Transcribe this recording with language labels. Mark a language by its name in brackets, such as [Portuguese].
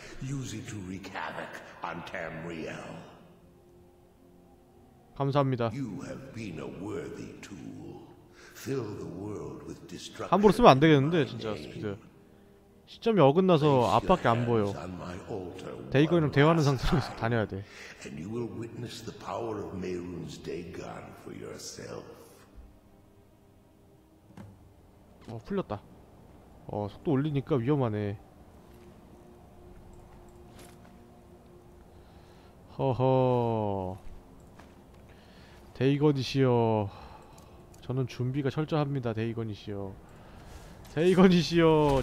[English] Use it to wreak havoc on Tamriel. [Korean] 감사합니다. [English] You have been a worthy tool. Fill the world with destruction. [Korean] 함부로 쓰면 안 되겠는데 진짜 스피드. 시점이 어긋나서 앞밖에 안 보여. 데이건이랑 대화하는 상태로 다녀야 돼. [English] And you will witness the power of Mehrunes Dagon for yourself. [Korean] 풀렸다. 속도 올리니까 위험하네. 허허. 데이건이시여. 저는 준비가 철저합니다. 데이건이시여. 데이건이시여.